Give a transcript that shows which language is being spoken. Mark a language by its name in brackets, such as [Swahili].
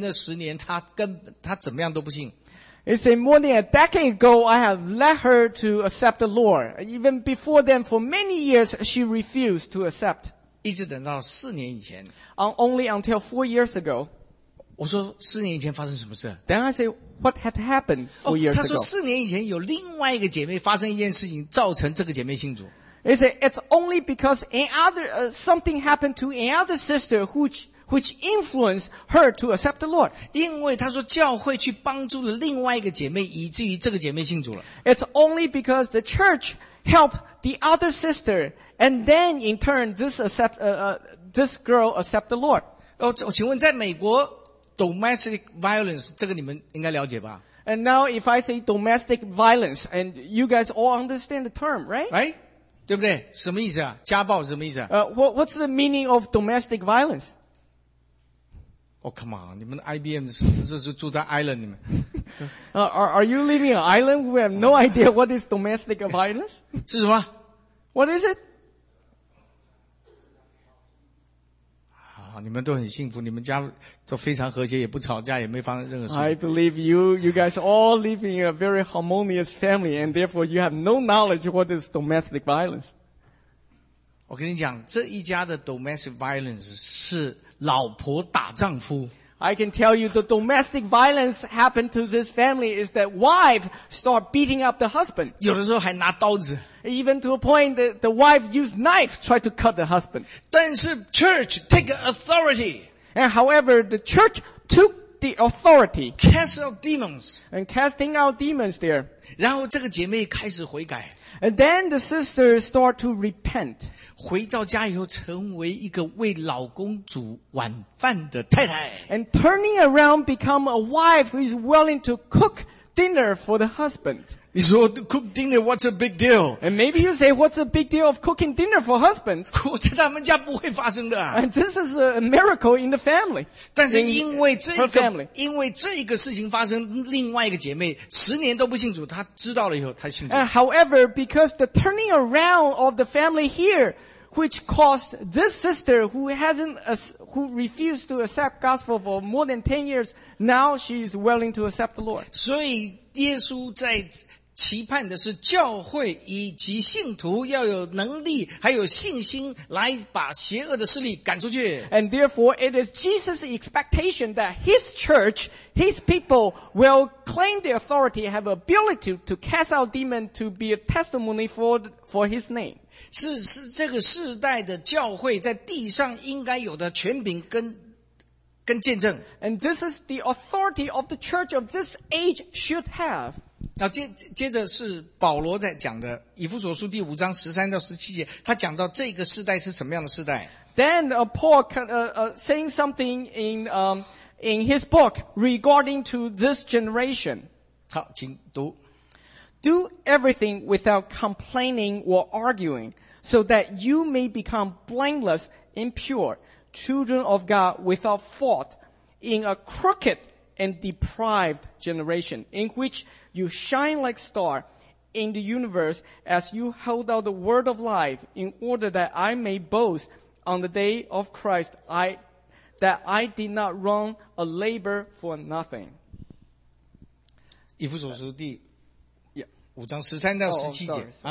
[Chinese] 他说我十几年前就带她信主，这个前面的十年她怎么样都不信。 [English] He said, more than a decade ago, I have led her to accept the Lord. Even before then, for many years, she refused to accept. [Chinese] 一直等到四年以前。 [English] Only until 4 years ago. [Chinese] 我说四年以前发生什么事？ [English] Then I said, what had happened 4 years ago? [Chinese] 他说四年以前有另外一个姐妹发生一件事情，造成这个姐妹信主。 [English] He said, it's only because something happened to another sister which influenced her to accept the Lord. [Chinese] 因为他说教会去帮助了另外一个姐妹，以至于这个姐妹信主了。 [English] It's only because the church helped the other sister, and then in turn this girl accept the Lord. [Chinese] 请问在美国 domestic violence 这个你们应该了解吧？ [English] And now if I say domestic violence, and you guys all understand the term, right? [Chinese] Right. 对不对?什么意思啊?家暴是什么意思啊? [English] What's the meaning of domestic violence? Oh, come on. [Chinese] 你们 IBM 是住在 island 里面。 [English] Are you living an island? We have no idea what is domestic violence. [Chinese] 是什么? [English] What is it? [Chinese] 你们都很幸福，你们家都非常和谐，也不吵架，也没发生任何事情。 [English] I believe you guys all live in a very harmonious family, and therefore you have no knowledge what is domestic violence. [Chinese] 我跟你讲，这一家的 domestic violence 是老婆打丈夫。 [English] I can tell you the domestic violence happened to this family is that wife start beating up the husband. 有的时候还拿刀子。 Even to a point that the wife used knife tried to cut the husband. 但是 church take authority. And however, the church took the authority. Cast out demons. And casting out demons there. [Chinese] 然后这个姐妹开始悔改。 [English] And then the sister start to repent. [Chinese] 回到家以后成为一个为老公煮晚饭的太太。 [English] And turning around become a wife who is willing to cook dinner for the husband. [Chinese] 你说 [English] cook dinner, what's a big deal? And maybe you say, what's a big deal of cooking dinner for husband? [Chinese] 我在他们家不会发生的。 [English] And this is a miracle in the family. [Chinese] 但是因为这一个事情发生，另外一个姐妹十年都不信主，她知道了以后她信主。 [English] And however, because the turning around of the family here, which caused this sister who refused to accept gospel for more than 10 years, now she is willing to accept the Lord. [Chinese] 所以耶稣在期盼的是教会以及信徒要有能力还有信心来把邪恶的势力赶出去。 [English] And therefore, it is Jesus' expectation that his church, his people will claim the authority, have ability to cast out demons to be a testimony for his name. [Chinese] 是这个世代的教会在地上应该有的权柄跟见证。 [English] And this is the authority of the church of this age should have. [Chinese] 然后接着是保罗在讲的以弗所书第五章十三到十七节，他讲到这个世代是什么样的世代。 [English] Then Paul saying something in his book regarding to this generation. [Chinese] 好，请读。 [English] Do everything without complaining or arguing, so that you may become blameless and pure. Children of God without fault in a crooked and deprived generation in which you shine like star in the universe as you hold out the word of life in order that I may boast on the day of Christ that I did not run a labor for nothing. [Chinese] 以弗所书第五章十三到十七节。